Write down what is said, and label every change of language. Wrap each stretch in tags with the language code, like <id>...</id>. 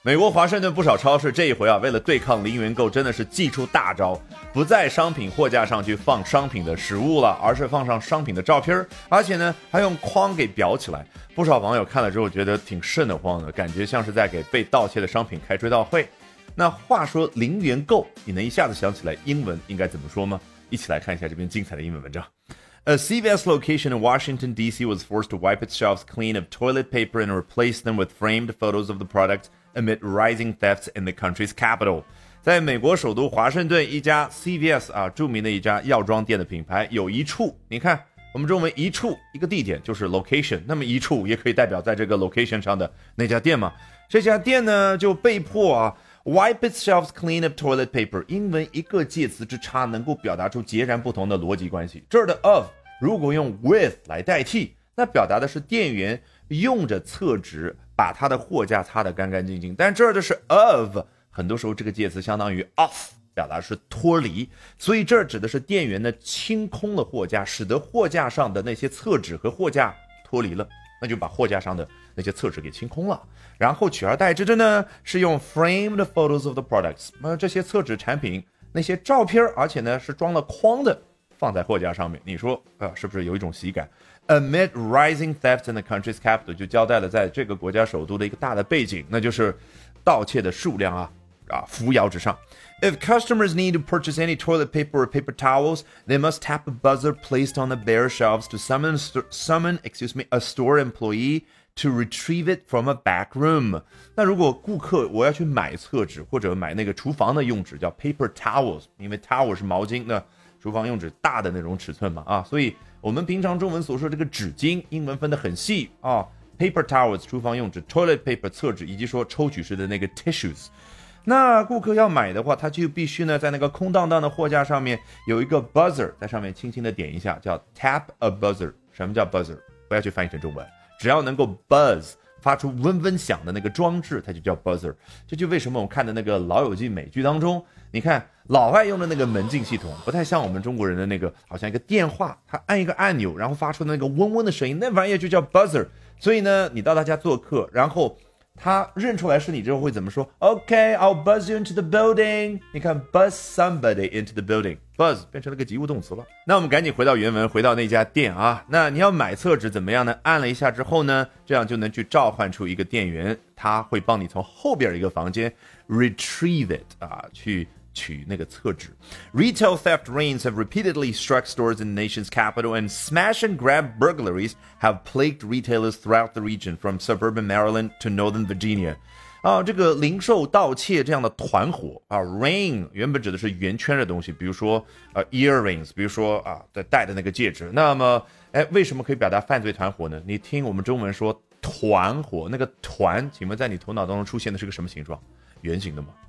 <zh>美国华盛顿不少超市这一回啊，为了对抗零元购，真的是祭出大招，不在商品货架上去放商品的实物了，而是放上商品的照片，而且呢还用框给裱起来。不少网友看了之后觉得挺瘆得慌的，感觉像是在给被盗窃的商品开追悼会。那话说零元购，你能一下子想起来英文应该怎么说吗？一起来看一下这篇精彩的英文文章。</zh> <en>A CVS location in Washington, D.C. was forced to wipe its shelves clean of toilet paper and replace them with framed photos of the product amid rising thefts in the country's capital.</en> <zh>在美国首都华盛顿，一家 CVS 啊，著名的一家药妆店的品牌，有一处，你看，我们中文一处，一个地点，就是 location， 那么一处也可以代表在这个 location 上的那家店嘛。这家店呢，就被迫啊</zh> <en>Wipe its shelves clean of toilet paper.</en> <zh>英文一个介词之差能够表达出截然不同的逻辑关系。这儿的 of 如果用 with 来代替，那表达的是店员用着厕纸把他的货架擦得干干净净。但这儿的是 of， 很多时候这个介词相当于 off， 表达是脱离。所以这儿指的是店员呢清空了货架，使得货架上的那些厕纸和货架脱离了，那就把货架上的那些厕纸给清空了，然后取而代之的呢是用</zh> <en>framed photos of the products，</en> <zh>这些厕纸产品那些照片，而且呢是装了框的放在货架上面。你说是不是有一种喜感？</zh> <en>Amid rising theft in the country's capital</en> <zh>就交代了在这个国家首都的一个大的背景，那就是盗窃的数量啊扶摇直上。</zh> <en>If customers need to purchase any toilet paper or paper towels, they must tap a buzzer placed on the bare shelves to summon a store employeeTo retrieve it from a back room.</en> <zh>那如果顾客我要去买厕纸或者买那个厨房的用纸叫 paper towels， 因为 towel 是毛巾的，厨房用纸大的那种尺寸嘛，所以我们平常中文所说这个纸巾英文分得很细啊， paper towels 厨房用纸， toilet paper 厕纸，以及说抽取式的那个 tissues。那顾客要买的话，他就必须呢在那个空荡荡的货架上面有一个 buzzer， 在上面轻轻的点一下叫</zh> <en>tap a buzzer。</en> <zh>什么叫 buzzer？不要去翻译成中文，只要能够 buzz 发出嗡嗡响的那个装置，它就叫 buzzer。这就为什么我看的那个老友记美剧当中，你看老外用的那个门禁系统不太像我们中国人的那个好像一个电话，它按一个按钮然后发出那个嗡嗡的声音，那玩意就叫 buzzer。所以呢你到他家做客，然后他认出来是你之后会怎么说？</zh> <en>OK， I'll buzz you into the building。</en> <zh>你看</zh> <en>buzz somebody into the building， buzz</en> <zh>变成了个及物动词了。那我们赶紧回到原文，回到那家店啊。那你要买厕纸怎么样呢？按了一下之后呢，这样就能去召唤出一个店员，他会帮你从后边一个房间</zh> <en>retrieve it</en> <zh>啊，去取那个厕纸。</zh> <en>Retail theft reigns have repeatedly struck stores in the nation's capital, and smash and grab burglaries have plagued retailers throughout the region from suburban Maryland to northern Virginia.</en> <zh>啊，这个零售盗窃这样的团伙啊， reign 原本指的是圆圈的东西，比如说earrings， 比如说戴的那个戒指。那么为什么可以表达犯罪团伙呢？你听我们中文说团伙，那个团请问在你头脑当中出现的是个什么形状？圆形的吗？</zh>